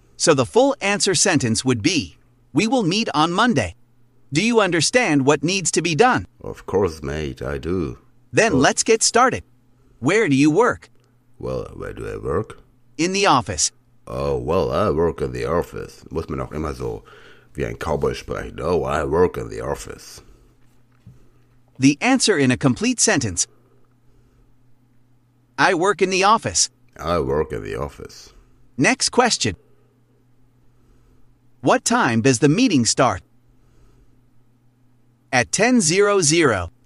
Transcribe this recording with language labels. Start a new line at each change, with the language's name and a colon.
English: So the full answer sentence would be, we will meet on Monday. Do you understand what needs to be done? Of course, mate, I do. Then let's get started. Where do you work? Well, where do I work? In the office. Oh, well, I work in the office.
German: Muss man auch immer so wie ein Cowboy sprechen.
English: Oh, I work in the office. The answer in a complete sentence. I work in the office. I work in the office. Next question. What time does the meeting start? At 10:00.